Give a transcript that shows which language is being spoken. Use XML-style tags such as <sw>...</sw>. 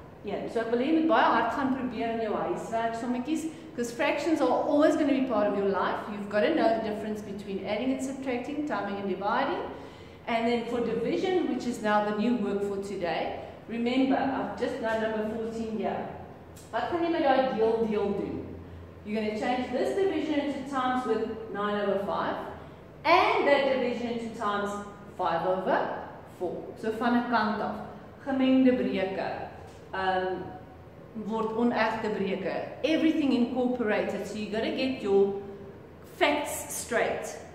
<en>Yeah, so I believe it by heart</en> <af>gaan probeer in jou huiswerk sommetjies.</af> <en>Because fractions are always going to be part of your life. You've got to know the difference between adding and subtracting, timing and dividing. And then for division, which is now the new work for today, remember, I've just done number 14 here.</en> <af>Wat kan jy met jou deel deel doen?</af> <en>You're going to change this division into times with 9 over 5, and that division into times 5 over 4.</en> <af>So van een kant af, gemengde breke, word onechte breke,</af> <en>everything incorporated, so you've got to get your facts straight.</en>